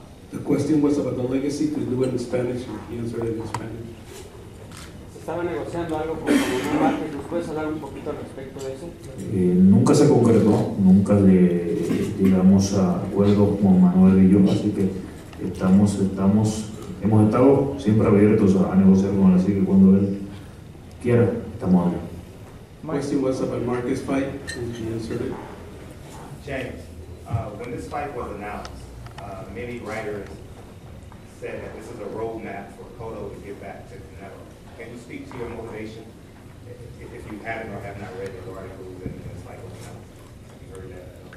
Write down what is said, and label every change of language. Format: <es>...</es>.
<en>The question was about the legacy, to do it in Spanish, and he answered it in Spanish.</en> <es>¿Estaba negociando algo con Manuel Márquez? ¿Puedes hablar un poquito al respecto de eso? Nunca se concretó, nunca le llegamos a acuerdo con Manuel y yo, así que hemos estado siempre abiertos a negociar con él, así que cuando él quiera, estamos abiertos.</es> <en>Question was about Marquez fight, and he answered it. James, when this fight was announced, how did many writers said that this is a roadmap for Cotto to get back to Canelo? Can you speak to your motivation, if you haven't or have not read the articles and it's like, you know, have you heard that?</en>